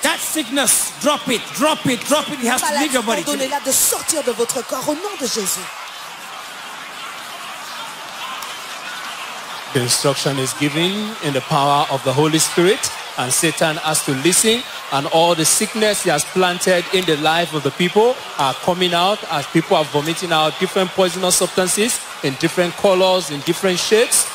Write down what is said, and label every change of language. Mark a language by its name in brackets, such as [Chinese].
[English] That sickness, drop it, drop it, drop it. It has to leave your body. [French] Ordonnez-la de sortir de votre corps au nom de Jésus. [English] The instruction is given in the power of the Holy Spirit, and Satan has to listen, and all the sickness he has planted in the life of the people are coming out as people are vomiting out different poisonous substances in different colors, in different shapes.